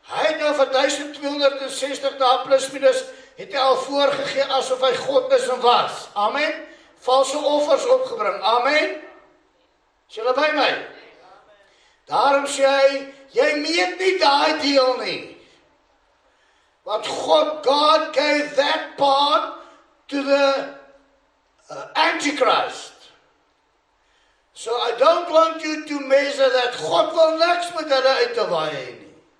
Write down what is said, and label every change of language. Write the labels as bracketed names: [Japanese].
[Afrikaans] Hy het nou vir 1260 daar plus minus het hy al voorgegee asof hy God is en was. Amen. Valse offers opgebring. Amen. Is julle by my? Daarom sê hy, jy meet nie die deel nie. [English] Want God, God gave that part to the Antichrist. So I don't want you to measure that. [Afrikaans] God wil niks met hulle uit te waai nie.